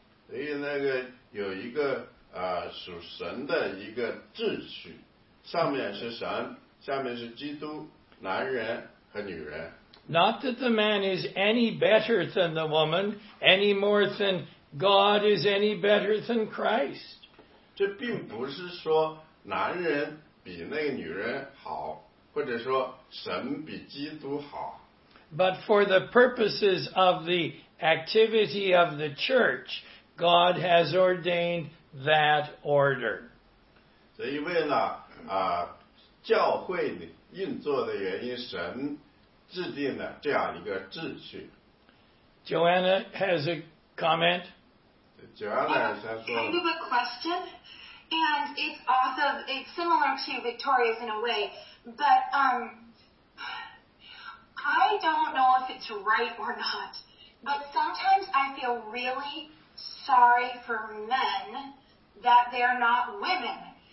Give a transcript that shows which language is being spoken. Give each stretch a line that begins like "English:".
Chinese: 所以那个有一个属神的一个秩序，上面是神，下面是基督，男人和女人。
English: Not that the man is any better than the woman, any more than God is any better than Christ.
Chinese: 这并不是说男人比那个女人好。或者说神比基督好。
English: But for the purposes of the activity of the church, God has ordained that order.
Chinese: 所以为了教会运作的原因，神制定了这样一个秩序。
English: Joanna has a comment.
Chinese: Joanna 先说。
English: I have a question, and it's also it's similar to Victoria's in a way. But I don't know if it's right or not, but sometimes I feel really sorry for men that they're not women.